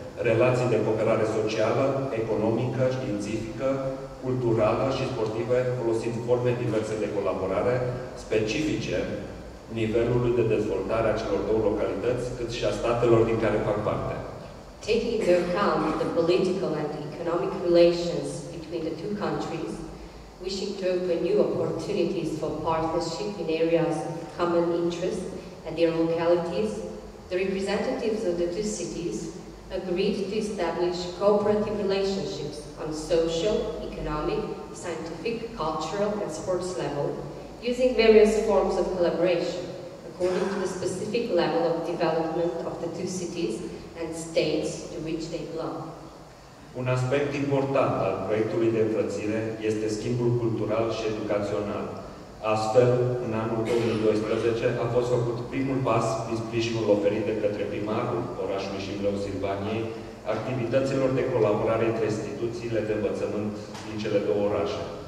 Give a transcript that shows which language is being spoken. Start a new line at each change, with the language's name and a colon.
Romanian: relații de cooperare socială, economică, științifică, culturală și sportivă, folosind forme diverse de colaborare, specifice nivelului de dezvoltare a celor două localități, cât și a statelor din care fac parte.
English: Taking into account the political and economic relations between the two countries, wishing to open new opportunities for partnership in areas of common interest and their localities, the representatives of the two cities agreed to establish cooperative relationships on social, economic, scientific, cultural, and sports level, using various forms of collaboration according to the specific level of development of the two cities and states to which they belong.
Romanian: Un aspect important al proiectului de înfrățire este schimbul cultural și educațional. Astfel, în anul 2012 a fost făcut primul pas prin sprijinul oferit de către primarul orașului Chișinău-Silvanie activităților de colaborare între instituțiile de învățământ din cele două orașe.